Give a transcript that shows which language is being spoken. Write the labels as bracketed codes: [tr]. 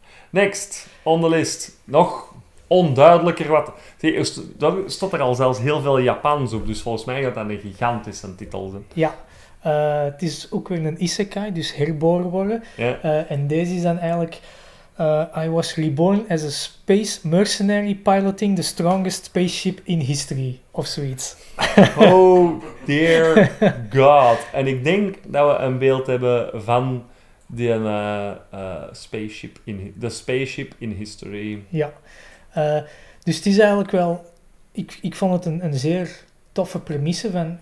[en] Next, on the list. [nl] Nog onduidelijker wat... Daar stond er al zelfs heel veel Japans op, dus volgens mij gaat dat een gigantische titel zijn. Ja. Het is ook weer een isekai, dus herboren worden. [en] Yeah. [nl] En deze is dan eigenlijk... [en] I was reborn as a space mercenary piloting the strongest spaceship in history. [nl] Of zoiets. [en] Oh, dear God. [nl] En ik denk dat we een beeld hebben van die spaceship [en] in the spaceship in history. [nl] Ja. Dus het is eigenlijk wel... Ik vond het een zeer toffe premisse van...